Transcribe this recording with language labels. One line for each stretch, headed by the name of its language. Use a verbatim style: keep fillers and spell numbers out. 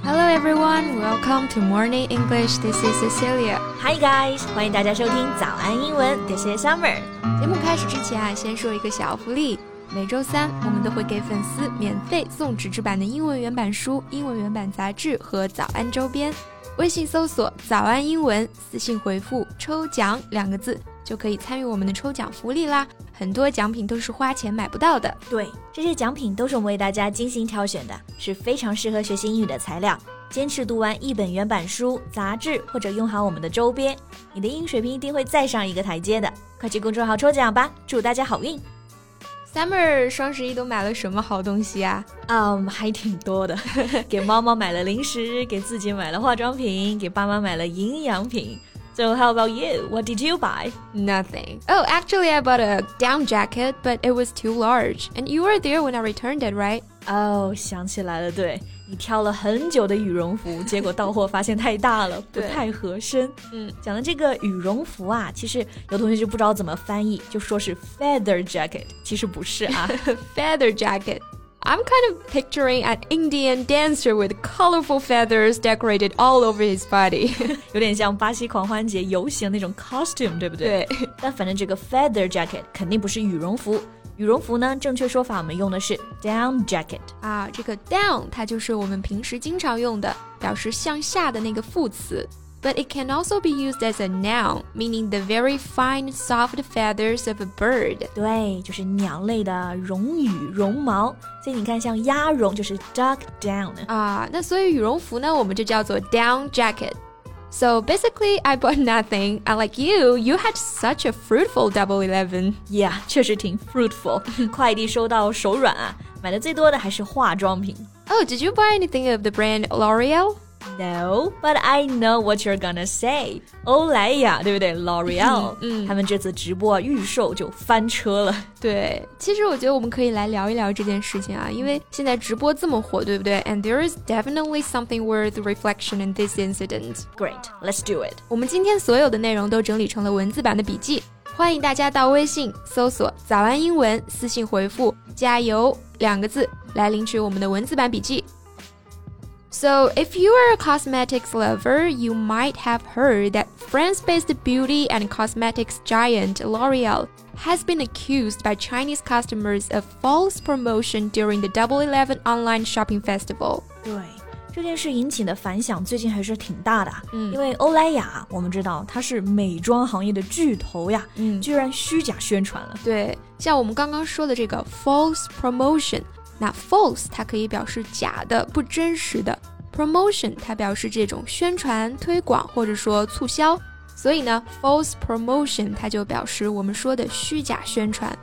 English: everyone, welcome to Morning English. This is Cecilia. Hi guys,
Chinese: 欢迎大家收听早安英文。
English: This is Summer.
Chinese: 节目开始之前啊，先说一个小福利。每周三，我们都会给粉丝免费送纸质版的英文原版书、英文原版杂志和早安周边。微信搜索“早安英文”，私信回复“抽奖”两个字，就可以参与我们的抽奖福利啦。很多奖品都是花钱买不到的。对，这些奖品都是我们为大家精心挑选的，是非常适合学习英语的材料。坚持读完一本原版书、杂志，或者用好我们的周边，你的英语水平一定会再上一个台阶的。快去公众号抽奖吧，祝大家好运！ Summer 双十一都买了什么好东西啊？嗯、um, 还挺多的，给猫猫买了零食，给自己买了化妆品，给爸妈买了营养品。
English: So how about you? What did you buy? Nothing. Oh, actually I bought a down jacket, but it was too large. And you were there when I returned it, right?
Chinese: Oh, 想起来了，对。你挑了很久的羽绒服，结果到货发现太大了，不太合身。嗯，讲的这个羽绒服啊，其实有同学就不知道怎么翻译，就说是
English: feather jacket，
Chinese: 其实不是啊。
English: Feather jacket. I'm kind of picturing an Indian dancer with colorful feathers decorated all over his body.
Chinese: 有点像巴西狂欢节游行那种 costume, 对不对？对。但反正这个
English: feather jacket
Chinese: 肯定不是羽绒服。羽绒服呢，正确说法我们用的是
English: down jacket.
Chinese: 啊，这个 down 它就是我们平时经常用的，表示向下的那个副词。
English: But it can also be used as a noun, meaning the very fine, soft feathers of a bird.
Chinese: 对，就是鸟类的绒羽、绒毛。所以你看，像鸭绒就是
English: duck down.
Chinese: 啊，那所以羽绒服呢，我们就叫做
English: down jacket. So basically, I bought nothing. Unlike you, you had such a fruitful Double Eleven. Yeah,
Chinese: 确实挺 fruitful. 快递收到手软啊，买的最多的还是化妆品。
English: Oh, did you buy anything of the brand L'Oreal? No, but I know what you're gonna say.
Chinese: 欧莱雅，对不对 ？L'Oreal，嗯，他们这次直播预售就翻车了。对，其实我觉得我们可以来聊一聊这件事情啊，因为现在直播这么火，对不对 ？
English: And there is definitely something worth reflection in this incident. Great, let's do it.
Chinese: 我们今天所有的内容都整理成了文字版的笔记，欢迎大家到微信搜索“早安英文”，私信回复“加油”两个字来领取我们的文字版笔记。
English: So, if you are a cosmetics lover, you might have heard that France-based beauty and cosmetics giant L'Oreal has been accused by Chinese customers of false promotion during the Double Eleven online shopping festival.
Chinese: 对，这件事引起的反响最近还是挺大的，嗯，因为欧莱雅我们知道它是美妆行业的巨头呀，嗯，居然虚假宣传了。对，像我们刚刚说的这个
English: false promotion。
Chinese: 那 false 它可以表示假的、不真实的 promotion 它表示这种宣传、推广或者说促销，所以呢
English: false promotion
Chinese: 它就表示我们说的虚假宣传。